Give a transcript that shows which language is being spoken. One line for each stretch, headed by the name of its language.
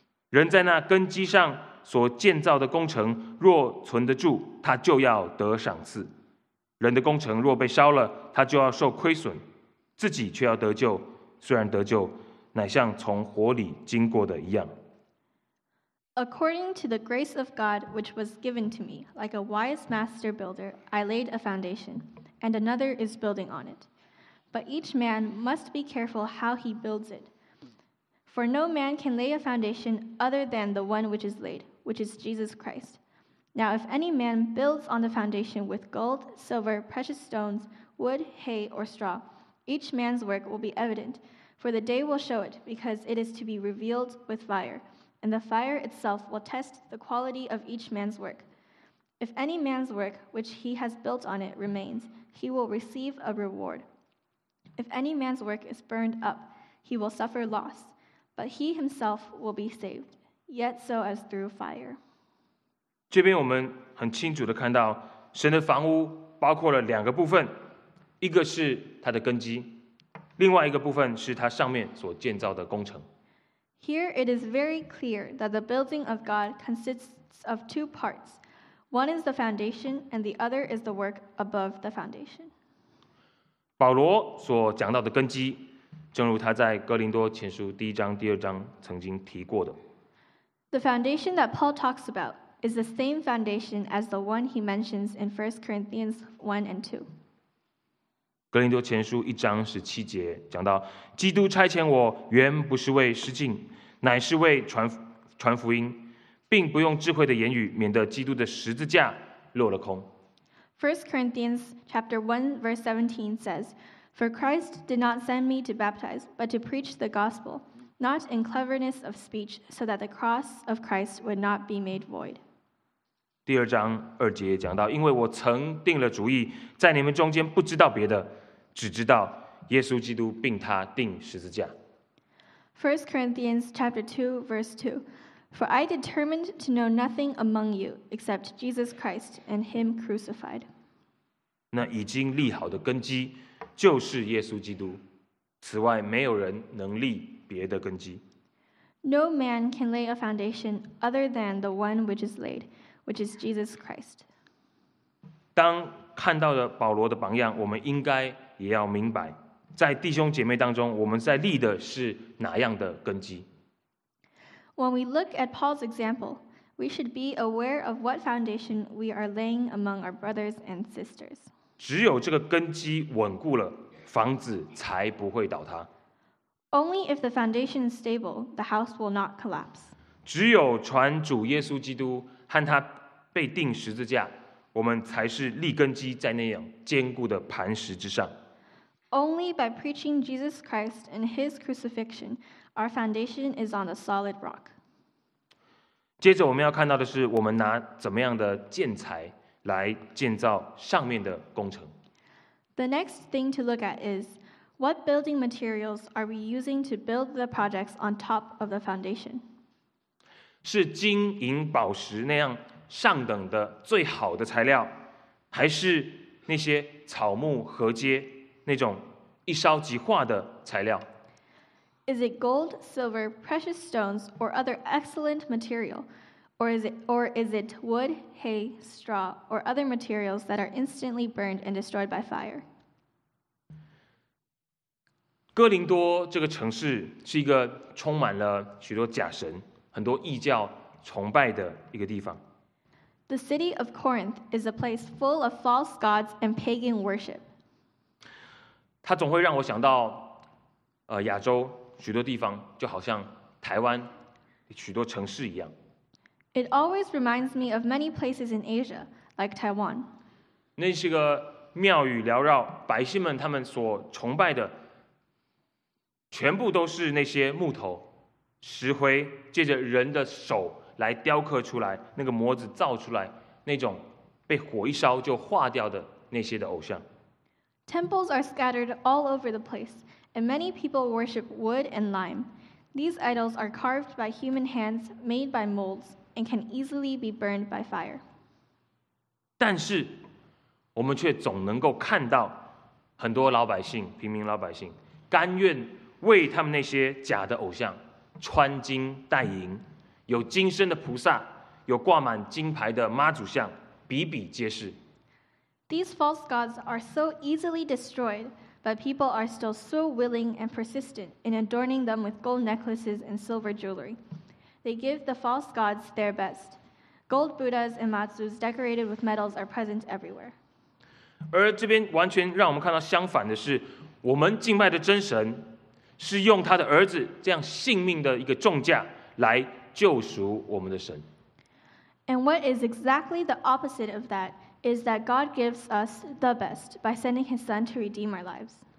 Chinese: 人在那根基上所建造的工程若存得住，他就要得赏赐；人的工程若被烧了，他就要受亏损，自己却要得救，虽然得救乃像从火里经过的一样。
English: According to the grace of God, which was given to me, like a wise master builder, I laid a foundation, and another is building on it. But each man must be careful how he builds it. For no man can lay a foundation other than the one which is laid, which is Jesus Christ. Now, if any man builds on the foundation with gold, silver, precious stones, wood, hay, or straw, each man's work will be evident, for the day will show it, because it is to be revealed with fire, and the fire itself will test the quality of each man's work. If any man's work which he has built on it remains, he will receive a reward. If any man's work is burned up, he will suffer loss, but he himself will be saved, yet so as through fire.
Chinese: 这边我们很清楚地看到，神的房屋包括了两个部分，一个是它的根基，另外一个部分是它上面所建造的工程。
English: Here it is very clear that the building of God consists of two parts. One is the foundation, and the other is the work above the foundation.
Chinese: 保罗所讲到的根基，正如他在哥林多前书第一章、第二章曾经提过的。
English: The foundation that Paul talks about is the same foundation as the one he mentions in 1 Corinthians 1 and 2.
Chinese: 哥林多前书一章十七节讲到，基督差遣我，原不是为施浸，乃是为传福音，并不用智慧的言语，免得基督的十字架落了空。
English: 1 Corinthians chapter 1 verse 17 says, For Christ did not send me to baptize, but to preach the gospel, not in cleverness of speech, so that the cross of Christ would not be made void.
Chinese: 第二章二节讲到，因为我曾定了主意，在你们中间不知道别的，只知道耶稣基督并他钉十字架。
English: 1 Corinthians chapter 2 verse 2, For I determined to know nothing among you except Jesus Christ and him crucified.
Chinese: 那已经立好的根基就是耶稣基督，此外没有人能立别的根基。
English: No man can lay a foundation other than the one which is laid, which is Jesus Christ.
Chinese: 当看到了保罗的榜样，我们应该也要明白，在弟兄姐妹当中，我们在立的是哪样的根基。
English: When we look at Paul's example, we should be aware of what foundation we are laying among our brothers and sisters.
Chinese: 只有这个根基稳固了，房子才不会倒塌。
English: Only if the foundation is stable, the house will not collapse.
Chinese: 只有传主耶稣基督和他被钉十字架，我们才是立根基在那样坚固的磐石之上。
English: Only by preaching Jesus Christ and his crucifixion, our foundation is on a solid rock.
Chinese: 接着我们要看到的是，我们拿怎么样的建材来建造上面的工程。
English: The next thing to look at is,What building materials are we using to build the projects on top of the foundation?
Chinese: 是金银宝石那样上等的最好的材料，还是那些草木禾秸那种一烧即化的材料？
English: Is it gold, silver, precious stones, or other excellent material, or is it wood, hay, straw, or other materials that are instantly burned and destroyed by fire?
Chinese: 哥林多这个城市是一个充满了许多假神、很多异教崇拜的一个地方。
English: The city of Corinth is a place full of false gods and pagan worship.
Chinese: 它总会让我想到，亚洲许多地方，就好像台湾许多城市一样。
English: It always reminds me of many places in Asia, like Taiwan.
Chinese: 那是个庙宇缭绕，百姓们他们所崇拜的全部都是那些木头、石灰，借着人的手来雕刻出来，那个模子造出来，那种被火一烧就化掉的那些的偶像。
English: Temples are scattered all over the place, and many people worship wood and lime. These idols are carved by human hands, made by molds, and can easily be burned by fire.
Chinese: 但是，我们却总能够看到很多老百姓、平民老百姓甘愿。为他们那些假的偶像穿金戴银，有金身的菩萨，有挂满金牌的妈祖像，比比皆是。
English: These false gods are so easily destroyed, but people are still so willing and persistent in adorning them with gold necklaces and silver jewelry. They give the false gods their best. Gold Buddhas and matsus decorated with medals are present everywhere.
Chinese: 而这边完全让我们看到相反的是，我们敬拜的真神是用他的儿子这样性命的一个重价来救赎我们的神。
English: And what is exactly the opposite of that is that God gives us the best by sending His Son to redeem our lives.